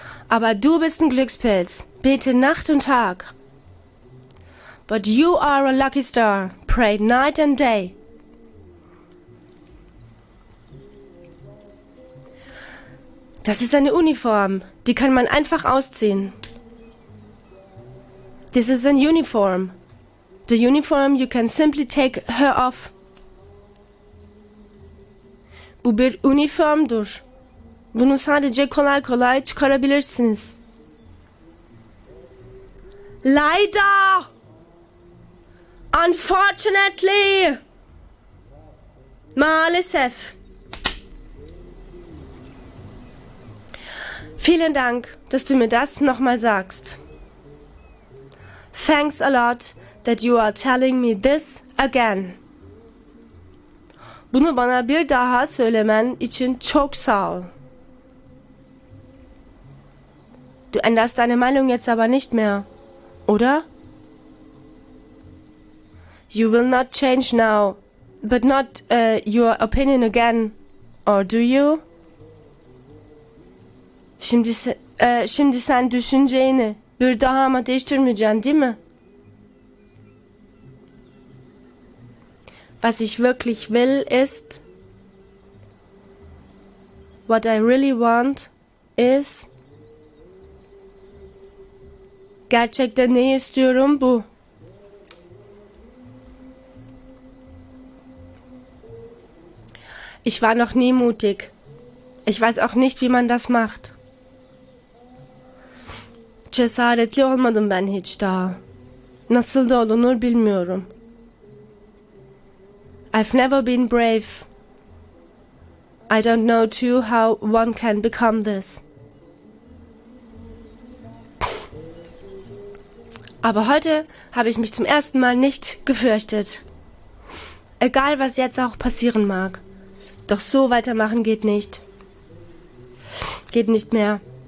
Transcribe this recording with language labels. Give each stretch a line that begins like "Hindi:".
German: Aber du bist ein Glückspilz. Bete Nacht und Tag.
English: But you are a lucky star. Pray night and day.
German: Das ist eine Uniform, die kann man einfach ausziehen.
English: This is a uniform. The uniform you can simply take her off.
Turkish: Bu bir uniformdur. Bunu sadece kolay kolay çıkarabilirsiniz.
German: Leider!
English: Unfortunately!
Turkish: Maalesef!
German: Vielen Dank, dass du mir das nochmal sagst.
English: Thanks a lot that you are telling me this again.
Turkish: Bunu bana bir daha söylemen için çok sağ ol.
German: Du änderst deine Meinung jetzt aber nicht mehr, oder?
English: You will not change now, but not your opinion again, or do you?
Turkish: Şimdi sen düşünceni bir daha ama değiştirmeyeceksin, değil mi?
German: Was ich wirklich will ist,
English: what I really want is,
Turkish: gerçekten ne istiyorum bu?
German: Ich war noch nie mutig. Ich weiß auch nicht, wie man das macht.
Turkish: cesaretli olmadım ben hiç daha. Nasıl da olunur bilmiyorum.
English: I've never been brave. I don't know too how one can become this.
German: Aber heute habe ich mich zum ersten Mal nicht gefürchtet. Egal, was jetzt auch passieren mag. Doch so weitermachen geht nicht. Geht nicht mehr.